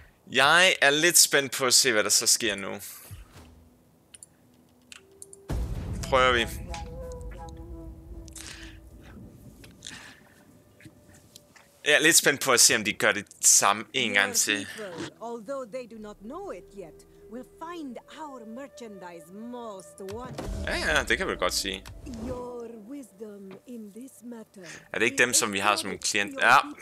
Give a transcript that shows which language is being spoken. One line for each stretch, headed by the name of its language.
Danish: Jeg er lidt spændt på at se, hvad der så sker nu. Prøver vi. Jeg er lidt spændt på at se, om de gør det samme en gang til.
English: Although they do not know it yet, we'll find our merchandise most wanted.
Danish: Ja, det kan vi godt sige.
English: Your wisdom in this matter.
Danish: Er det ikke dem, som vi har som klient? Ja.